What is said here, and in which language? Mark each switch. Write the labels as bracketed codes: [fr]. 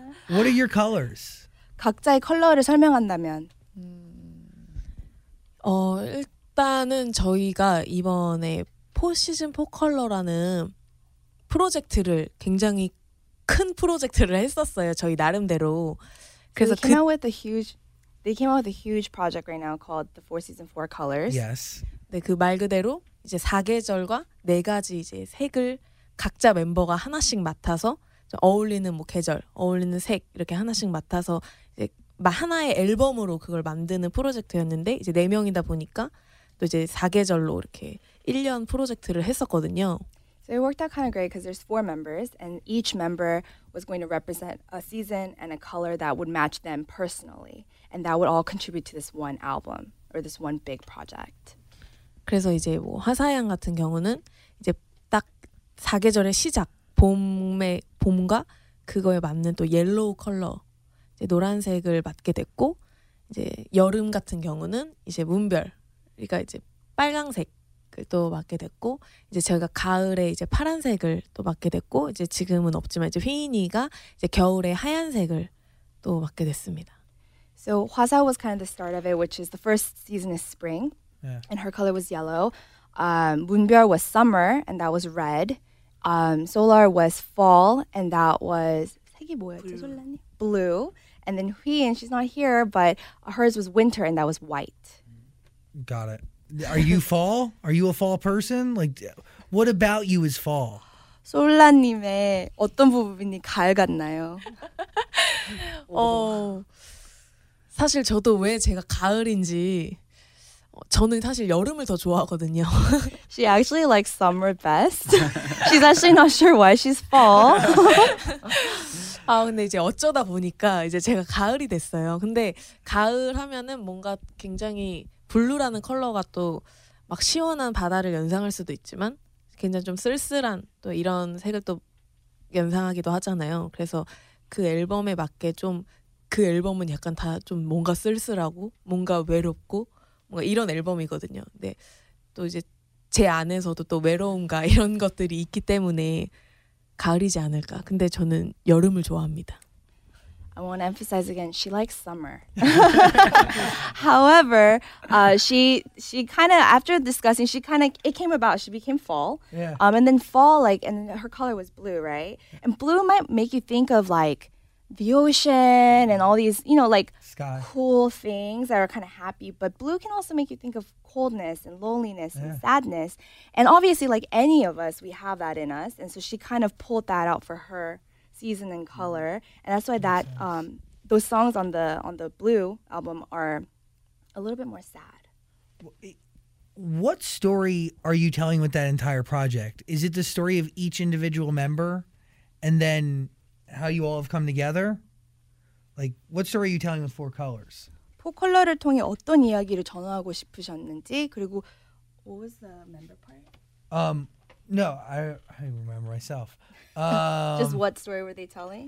[en] What are your colors? [ko] 각자의 컬러를 설명한다면 일단은 저희가 이번에 4시즌 4컬러라는 프로젝트를 굉장히 큰 프로젝트를 했었어요. 저희 나름대로 그래서 [en] so came out with a huge They came out with a huge project right now called the Four Seasons Four Colors. Yes. [ko] 네, 그 말 그대로 이제 사계절과 네 가지 이제 색을 각자 멤버가 하나씩 맡아서 어울리는 뭐 계절, 어울리는 색 이렇게 하나씩 맡아서 이제 하나의 앨범으로 그걸 만드는 프로젝트였는데 이제 네 명이다 보니까 또 이제 사계절로 이렇게 1년 프로젝트를 했었거든요. [en] So it worked out kind of great because there's four members and each member was going to represent a season and a color that would match them personally. And that would all contribute to this one album or this one big project. [ko] 그래서 이제 뭐 화사양 같은 경우는 이제 딱 사계절의 시작, 봄의 봄과 그거에 맞는 또 옐로우 컬러, 이제 노란색을 맡게 됐고 이제 여름 같은 경우는 이제 문별, 그러니까 이제 빨강색을 또 맡게 됐고 이제 제가 가을에 이제 파란색을 또 맡게 됐고 이제 지금은 없지만 이제 휘인이가 이제 겨울에 하얀색을 또 맡게 됐습니다. [en] So Hwasa was kind of the start of it, which is the first season is spring, yeah. And her color was yellow. Moonbyul was summer, and that was red. Solar was fall, and that was blue. And then Hwi-in, she's not here, but hers was winter, and that was white. Got it. Are you fall? Are you a fall person? Like, what about you is fall? [ko] 솔라님의 어떤 부분이 가을 같나요? 사실 저도 왜 제가 가을인지 저는 사실 여름을 더 좋아하거든요. [en] She actually likes summer best. She's actually not sure why she's fall. [ko] 아 근데 이제 어쩌다 보니까 이제 제가 가을이 됐어요. 근데 가을 하면은 뭔가 굉장히 블루라는 컬러가 또 막 시원한 바다를 연상할 수도 있지만 굉장히 좀 쓸쓸한 또 이런 색을 또 연상하기도 하잖아요. 그래서 그 앨범에 맞게 좀 그 앨범은 약간 다 좀 뭔가 쓸쓸하고 뭔가 외롭고 뭔가 이런 앨범이거든요. 근데 또 이제 제 안에서도 또 외로움과 이런 것들이 있기 때문에 가을이지 않을까. 근데 저는 여름을 좋아합니다. [en] I want to emphasize again, she likes summer. However, she kind of, after discussing, she kind of, it came about, she became fall. Yeah. And then fall, like, and her color was blue, right? And blue might make you think of, like, the ocean and all these, you know, like, sky. Cool things that are kind of happy. But blue can also make you think of coldness and loneliness and sadness. And obviously, like any of us, we have that in us. And so she kind of pulled that out for her season and color. And that's why that those songs on the blue album are a little bit more sad. What story are you telling with that entire project? Is it the story of each individual member and then how you all have come together? Like, what story are you telling with Four Colors? [ko] 포컬러를 통해 어떤 이야기를 전하고 싶으셨는지 그리고 [en] what was the member part? No, I remember myself. Just what story were they telling?